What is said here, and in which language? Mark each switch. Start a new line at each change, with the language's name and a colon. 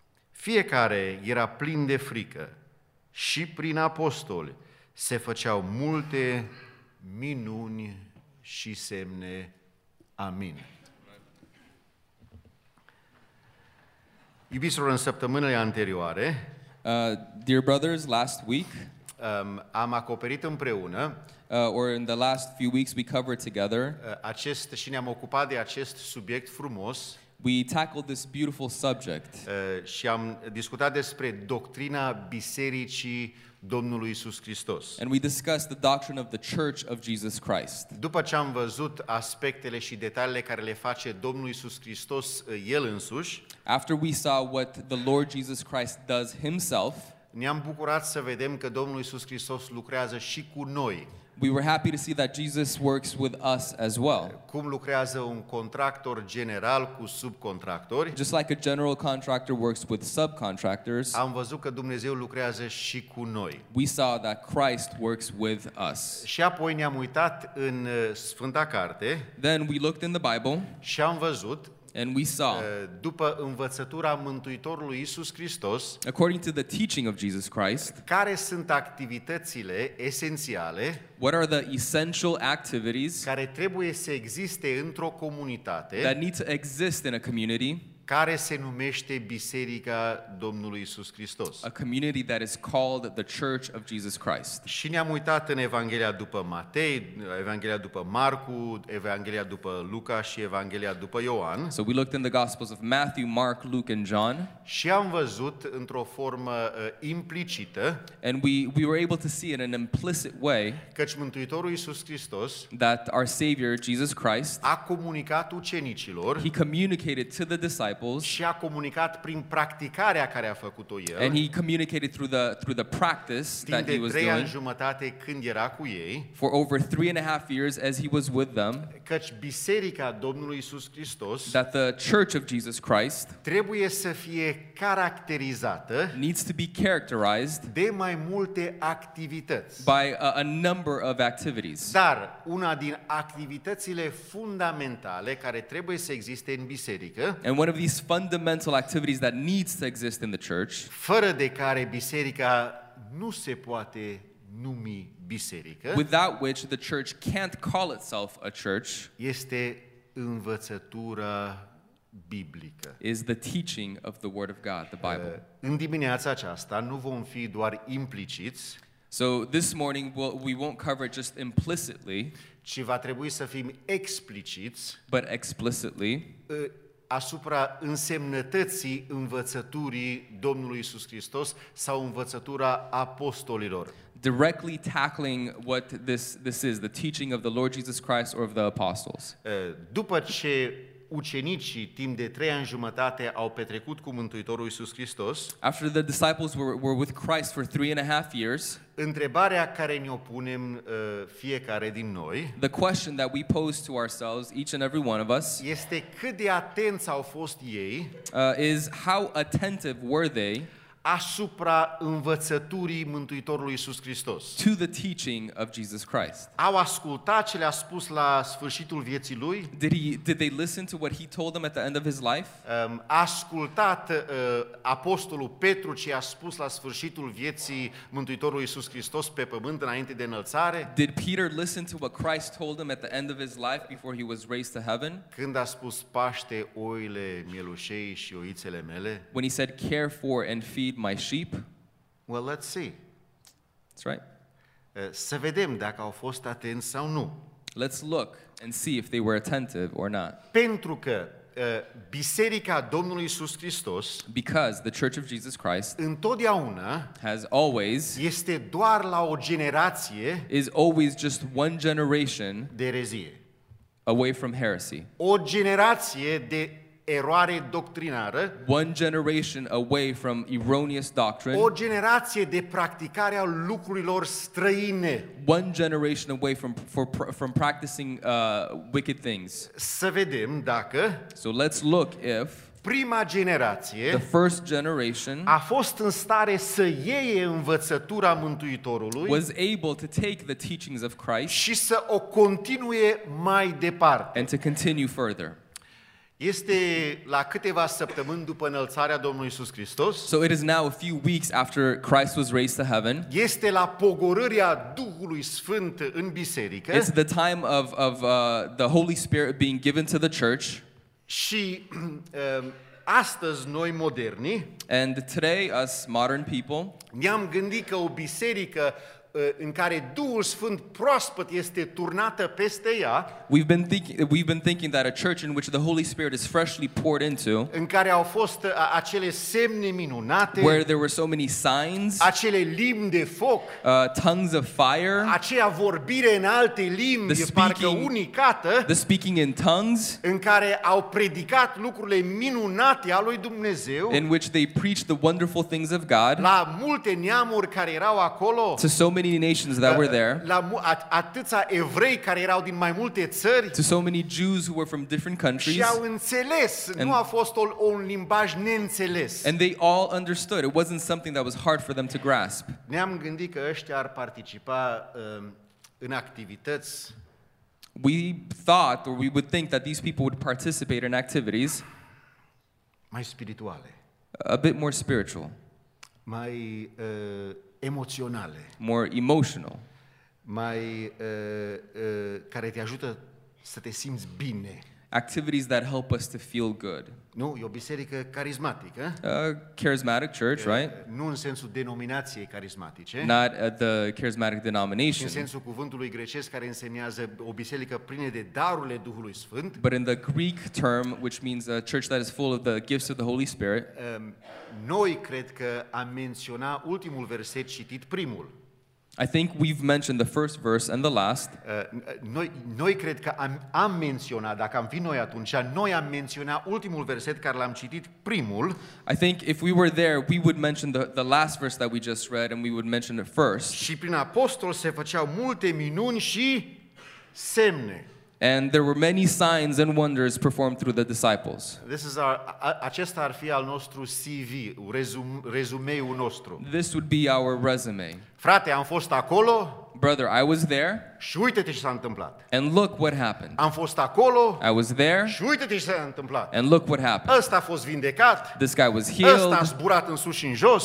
Romanian: Fiecare era plin de frică și prin apostoli se făceau multe minuni și semne. Amin. Iubiților, în săptămânile anterioare,
English: dear brothers, last week,
Romanian: am acoperit împreună,
English: or in the last few weeks we covered together,
Romanian: acest și ne-am ocupat de acest subiect frumos.
English: We tackled this beautiful subject.
Romanian: Și am discutat despre doctrina bisericii Domnului Iisus Hristos.
English: And we discussed the doctrine of the Church of Jesus Christ.
Romanian: După ce am văzut aspectele și detaliile care le face Domnul Iisus Hristos el însuși,
English: after we saw what the Lord Jesus Christ does himself,
Romanian: ne-am bucurat să vedem că Domnul Iisus Hristos lucrează și cu noi.
English: We were happy to see that Jesus works with us as well.
Romanian: Cum lucrează un contractor general cu subcontractori?
English: Just like a general contractor works with subcontractors.
Romanian: Am văzut că Dumnezeu lucrează și cu noi.
English: We saw that Christ works with us.
Romanian: Și apoi ne-am uitat în Sfânta Carte.
English: Then we looked in the Bible.
Romanian: Și am văzut.
English: And we saw.
Romanian: După învățătura Mântuitorului Iisus Hristos.
English: According to the teaching of Jesus Christ.
Romanian: Care sunt activitățile esențiale?
English: What are the essential activities?
Romanian: Care trebuie să existe într-o comunitate?
English: That need to exist in a community.
Romanian: Care se numește Biserica Domnului Iisus Hristos.
English: A community that is called the Church of Jesus Christ.
Romanian: Și ne-am uitat în Evanghelia după Matei, Evanghelia după Marcu, Evanghelia după Luca și Evanghelia după Ioan.
English: So we looked in the Gospels of Matthew, Mark, Luke and John.
Romanian: Și am văzut într-o formă implicită.
English: And we were able to see in an implicit way.
Romanian: Căci Mântuitorul Iisus Hristos.
English: That our Savior Jesus Christ.
Romanian: A comunicat ucenicilor.
English: He communicated to the disciples.
Romanian: Și a comunicat prin practicarea care a făcut-o el.
English: And he communicated through the practice that he was doing.
Romanian: Timp de 3 ani jumătate când era cu ei.
English: For over 3.5 years as he was with them.
Romanian: Căci biserica Domnului Iisus Hristos.
English: That the Church of Jesus Christ.
Romanian: Trebuie să fie caracterizată.
English: Needs to be characterized.
Romanian: De mai multe activități.
English: By a number of activities.
Romanian: Dar una din activitățile fundamentale care trebuie să existe în biserică.
English: And one of these fundamental activities that needs to exist in the church,
Romanian: fără de care biserica nu se poate numi biserică,
English: without which the church can't call itself a church,
Romanian: este învățătura biblică.
English: Is the teaching of the word of God, the Bible.
Romanian: În dimineața aceasta nu vom fi doar impliciți.
English: So this morning we won't cover it just implicitly,
Romanian: ci va trebui să fim expliciți,
English: but explicitly,
Romanian: asupra însemnătății învățăturii Domnului Iisus Hristos sau învățătura apostolilor.
English: Directly tackling what this is, the teaching of the Lord Jesus Christ or of the apostles.
Romanian: După ce ucenicii timp de 3 ani jumătate au petrecut cu Mântuitorul Iisus Hristos,
English: after the disciples were with Christ for 3.5 years,
Romanian: întrebarea care ne-o punem fiecare din noi,
English: the question that we pose to ourselves, each and every one of us,
Romanian: este cât de atenți au fost ei,
English: is how attentive were they,
Romanian: asupra învățăturii Mântuitorului Iisus Hristos.
English: To the teaching of Jesus Christ.
Romanian: Au ascultat ce le-a spus la sfârșitul vieții lui?
English: Did they listen to what he told them at the end of his life?
Romanian: Ascultat apostolul Petru ce a spus la sfârșitul vieții Mântuitorului Iisus Hristos pe pământ înainte de înălțare?
English: Did Peter listen to what Christ told him at the end of his life before he was raised to heaven?
Romanian: Când a spus paște oile mielușei și oițele mele?
English: When he said care for and feed my sheep. Well, let's see. That's right.
Romanian: Să vedem dacă au fost atenți sau nu.
English: Let's look and see if they were attentive or not.
Romanian: Pentru că biserica Domnului Iisus Hristos,
English: because the Church of Jesus Christ,
Romanian: întotdeauna
English: has always,
Romanian: este doar la o generație,
English: is always just one generation,
Romanian: de erezie,
English: away from heresy.
Romanian: O generație de eroare doctrinară,
English: one generation away from erroneous doctrine,
Romanian: o generație de practicare a lucrurilor străine,
English: one generation away from practicing wicked things.
Romanian: Să vedem dacă,
English: so let's look if,
Romanian: prima generație,
English: the first generation,
Romanian: a fost în stare să ieie învățătura Mântuitorului,
English: was able to take the teachings of Christ,
Romanian: și să o continue mai departe,
English: and to continue further.
Romanian: Este la câteva săptămâni după înălțarea Domnului Iisus Hristos.
English: So it is now a few weeks after Christ was raised to heaven.
Romanian: Este la pogorârea Duhului Sfânt în biserică.
English: It's the time of the Holy Spirit being given to the church.
Romanian: Și astăzi noi moderni,
English: and today us modern people,
Romanian: ne-am gândit că o biserică în care Duhul Sfânt proaspăt este turnată peste ea,
English: we've been thinking that a church in which the Holy Spirit is freshly poured into,
Romanian: în care au fost acele semne minunate,
English: where there were so many signs,
Romanian: acele limbi de foc,
English: tongues of fire,
Romanian: aceea vorbire în alte limbi,
English: the speaking,
Romanian: parcă unicată,
English: the speaking in tongues,
Romanian: în care au predicat lucrurile minunate a lui Dumnezeu,
English: in which they preached the wonderful things of God,
Romanian: la multe neamuri care erau acolo,
English: many nations that were there,
Romanian: atâția evrei care erau din mai multe țări,
English: to so many Jews who were from different countries,
Romanian: și au înțeles, nu a fost un limbaj neînțeles,
English: and they all understood, it wasn't something that was hard for them to grasp.
Romanian: Ne-am gândit că ăștia ar participa în activități,
English: we thought or we would think that these people would participate in activities
Romanian: mai spirituale,
English: a bit more spiritual,
Romanian: mai emoționale,
English: more emotional,
Romanian: mai care te ajută să te simți bine,
English: activities that help us to feel good.
Romanian: Nu, e o biserică carismatică.
English: Charismatic church, right?
Romanian: Nu în sensul denominației carismatice.
English: Not the charismatic denomination.
Romanian: În sensul cuvântului grecesc care însemnează o biserică plină de darurile Duhului Sfânt.
English: But in the Greek term, which means a church that is full of the gifts of the Holy Spirit.
Romanian: Noi cred că am menționat ultimul verset citit primul.
English: I think we've mentioned the first verse and the last.
Romanian: Noi cred că am menționat, dacă am fi noi atunci, noi am menționat ultimul verset care l-am citit primul.
English: I think if we were there, we would mention the last verse that we just read and we would mention it first.
Romanian: Și prin apostol se făceau multe minuni și semne.
English: And there were many signs and wonders performed through the disciples. This is our
Romanian: acesta ar fi al nostru CV, rezumeul nostru.
English: This would be our resume.
Romanian: Frate, am fost acolo.
English: Brother, I was there.
Romanian: Și uite-te ce s-a întâmplat.
English: And look what happened.
Romanian: Am fost acolo.
English: I was there.
Romanian: Și uite-te ce s-a întâmplat.
English: And look what happened.
Romanian: Ăsta a fost vindecat.
English: This guy was healed.
Romanian: Ăsta a zburat în sus și în jos.